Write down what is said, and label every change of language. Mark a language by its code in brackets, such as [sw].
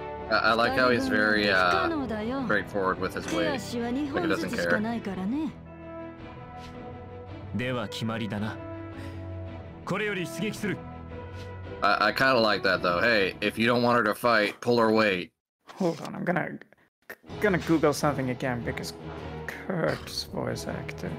[en] I like how he's very straightforward with his way. Like he doesn't care. [ja] では決まりだな。これより出撃する。 [en] I kind of like that though. Hey, if you don't want her to fight, pull her weight. Hold on, I'm gonna Google something again because Kurt's voice actor.